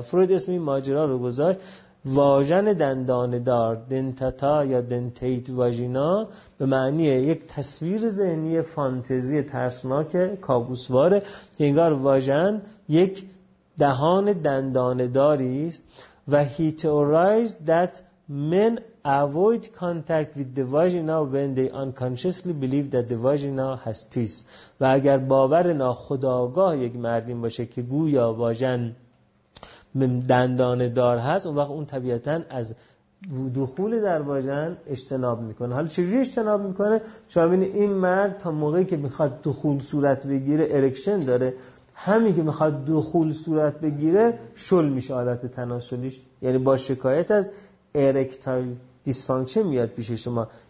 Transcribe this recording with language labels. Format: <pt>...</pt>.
<fa>فروید اسم این ماجرا رو گذاشت واژن دندانه‌دار، دنتاتا یا دنتیت واژینا، به معنی یک تصویر ذهنی فانتزی ترسناک کابوسواره که انگار واژن یک دهان دندانه‌داری است.</fa> <en>و he theorized that men avoid contact with the vagina when they unconsciously believe that the vagina has teeth.</en> <fa>و اگر باور ناخودآگاه یک مرد این باشه که گویا واژن دندانه دار هست، اون وقت اون طبیعتاً از دخول در واژن اجتناب میکنه. حالا چجوری اجتناب میکنه؟ شما ببینید این مرد تا موقعی که میخواد دخول صورت بگیره ارکشن داره، همین که میخواد دخول صورت بگیره شل میشه عادت تناسلیش، یعنی با شکایت از ارکتایل دیسفانکشن میاد پیش شما.</fa>